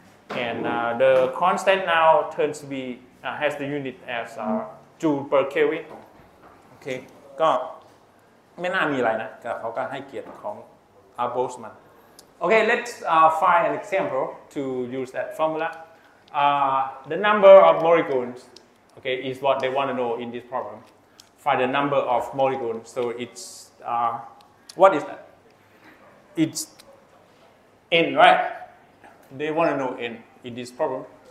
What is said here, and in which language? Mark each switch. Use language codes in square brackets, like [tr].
[en] And the constant now turns to be has the unit as joule per kelvin. Okay. [th] ก็ไม่น่ามีอะไรนะก็เขาก็ให้เกียรติของอาร์โบสมัน [en] Okay, let's find an example to use that formula. The number of molecules, okay, is what they want to know in this problem. Find the number of molecules. So it's what is that? It's n, right? They want to know n in this problem.